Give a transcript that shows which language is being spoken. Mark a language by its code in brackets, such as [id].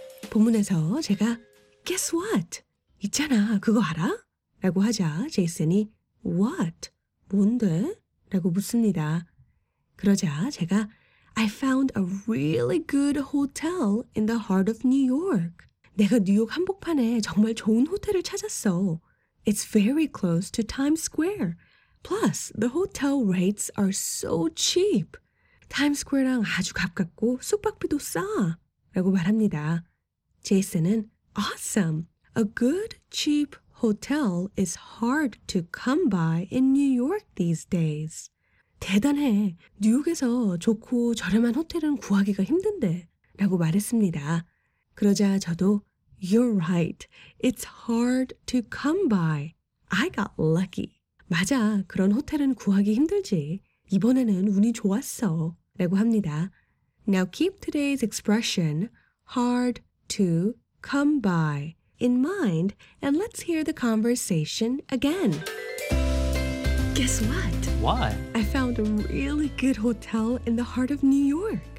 [ko] 본문에서 제가 [en] Guess what? [ko] 있잖아, 그거 알아? 라고 하자 제이슨이 [en] What? [ko] 뭔데? 라고 묻습니다. 그러자 제가 [en] I found a really good hotel in the heart of New York. [ko] 내가 뉴욕 한복판에 정말 좋은 호텔을 찾았어. [en] It's very close to Times Square. Plus, the hotel rates are so cheap. [ko] Times Square랑 아주 가깝고 숙박비도 싸. 라고 말합니다. 제이슨은 [en] awesome. A good, cheap hotel is hard to come by in New York these days. [ko] 대단해. 뉴욕에서 좋고 저렴한 호텔은 구하기가 힘든데. 라고 말했습니다. 그러자 저도 [en] You're right. It's hard to come by. I got lucky. [ko] 맞아. 그런 호텔은 구하기 힘들지. 이번에는 운이 좋았어. 라고 합니다. [en] Now keep today's expression hard to come by in mind and let's hear the conversation again. Guess what? What? I found a really good hotel in the heart of New York.